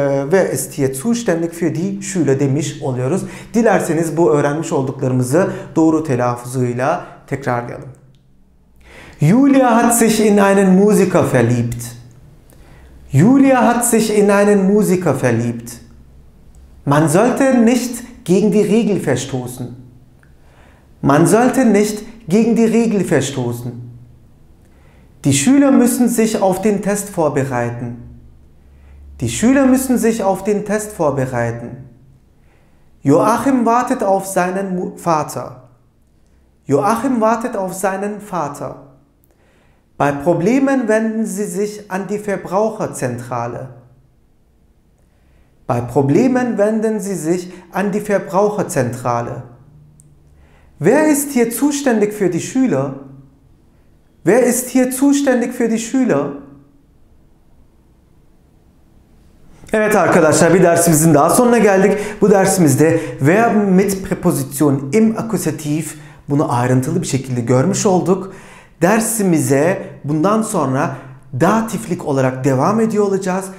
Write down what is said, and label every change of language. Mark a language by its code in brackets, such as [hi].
[de] Wer ist hier zuständig für die Schüler [tr] demiş oluyoruz. Dilerseniz bu öğrenmiş olduklarımızı doğru telaffuzuyla tekrarlayalım. [de] Julia hat sich in einen Musiker verliebt. Julia hat sich in einen Musiker verliebt. Man sollte nicht gegen die Regel verstoßen. Man sollte nicht gegen die Regel verstoßen. Die Schüler müssen sich auf den Test vorbereiten. Die Schüler müssen sich auf den Test vorbereiten. Joachim wartet auf seinen Vater. Joachim wartet auf seinen Vater. Bei Problemen wenden Sie sich an die Verbraucherzentrale. Bei Problemen wenden Sie sich an die Verbraucherzentrale. Wer ist hier zuständig für die Schüler? Wer ist hier zuständig für die Schüler? [tr] Evet arkadaşlar, bir dersimizin daha sonuna geldik. Bu dersimizde [de] wer mit Präposition im Akkusativ, [tr] bunu ayrıntılı bir şekilde görmüş olduk. Dersimize bundan sonra datiflik olarak devam ediyor olacağız.